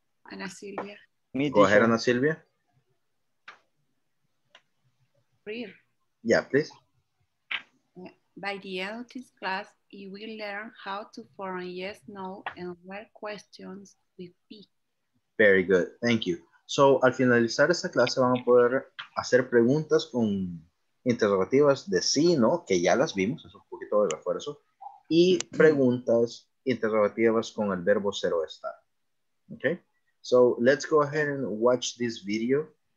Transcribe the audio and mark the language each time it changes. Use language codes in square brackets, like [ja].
[en] Ana Silvia. Go ahead, Ana Silvia. Read. Yeah, please. By the end of this class, you will learn how to form yes, no, and where questions with B. Very good, thank you. [es] So, al finalizar esta clase, van a poder hacer preguntas con interrogativas de sí, ¿no? Que ya las vimos, es un poquito de refuerzo. Y preguntas interrogativas con el verbo ser o estar. [en] Okay? So, let's go ahead and watch this video.